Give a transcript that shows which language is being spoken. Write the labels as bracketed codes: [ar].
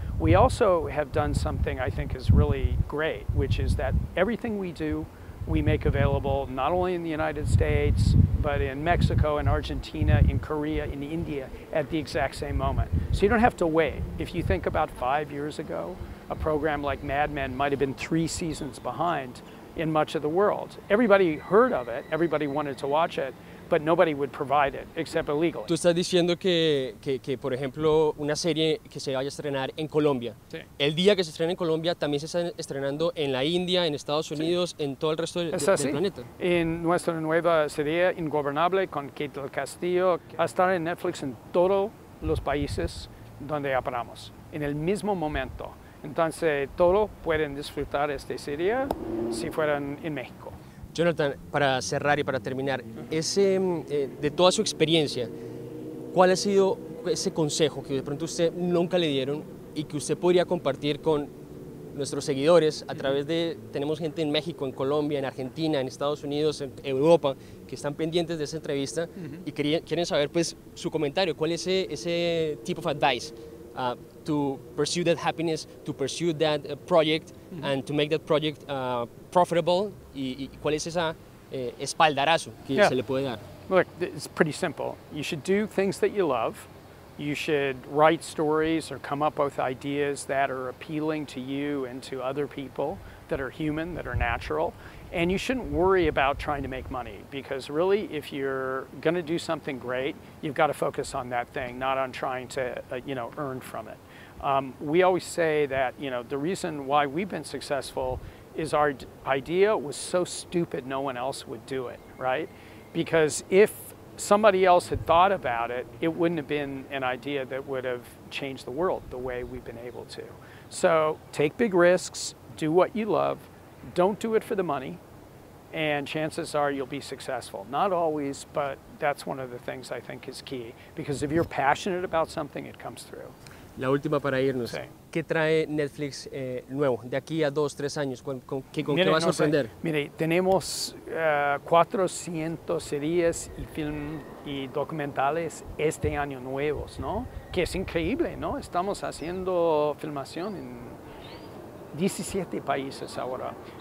[en] We also have done something I think is really great, which is that everything we do, we make available not only in the United States, but in Mexico, in Argentina, in Korea, in India, at the exact same moment. So you don't have to wait. If you think about 5 years ago, a program like Mad Men might have been 3 seasons behind in much of the world. Everybody heard of it, everybody wanted to watch it, but nobody would provide it except illegally. [es] Tú estás diciendo que por ejemplo, una serie que se vaya a estrenar en Colombia, sí. El día que se estrena en Colombia, también se está estrenando en la India, en Estados Unidos, sí. En todo el resto del planeta. En nuestra nueva serie, Ingobernable, con Kate del Castillo, va a estar en Netflix en todos los países donde operamos, en el mismo momento. Entonces, todos pueden disfrutar esta serie si fueran en México. Jonathan, para cerrar y para terminar, de toda su experiencia, ¿cuál ha sido ese consejo que de pronto usted nunca le dieron y que usted podría compartir con nuestros seguidores a través de... Tenemos gente en México, en Colombia, en Argentina, en Estados Unidos, en Europa, que están pendientes de esa entrevista y quieren saber pues, su comentario. ¿Cuál es ese tipo de advice? [en] To pursue that happiness, to pursue that project, and to make that project profitable. [es] ¿Y cuál es esa espaldarazo que se le puede dar? [en] Look, it's pretty simple. You should do things that you love. You should write stories or come up with ideas that are appealing to you and to other people that are human, that are natural. And you shouldn't worry about trying to make money, because really, if you're going to do something great, you've got to focus on that thing, not on trying to earn from it. We always say that the reason why we've been successful is our idea was so stupid no one else would do it, right? Because if somebody else had thought about it, it wouldn't have been an idea that would have changed the world the way we've been able to. So take big risks, do what you love, don't do it for the money, and chances are you'll be successful. Not always, but that's one of the things I think is key, because if you're passionate about something, it comes through. [es] La última para irnos. Sí. ¿Qué trae Netflix nuevo? De aquí a 2-3 años, ¿con qué va a sorprender? No sé. Mire, tenemos 400 series y film y documentales este año nuevos, ¿no? Que es increíble, ¿no? Estamos haciendo filmación en 17 países ahora.